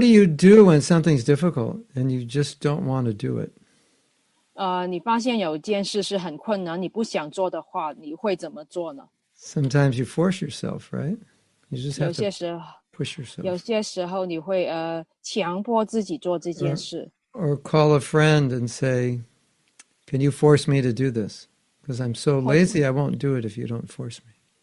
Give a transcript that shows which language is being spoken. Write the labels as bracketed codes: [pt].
[en] do you do when something's difficult and you just don't want to do it? [zh] 你发现有件事是很困难，你不想做的话，你会怎么做呢？ [en] Sometimes you force yourself, right? You just have to push yourself. [zh] 有些时候你会强迫自己做这件事。 [en] Or call a friend and say, can you force me to do this? Because I'm so lazy, I won't do it if you don't force me.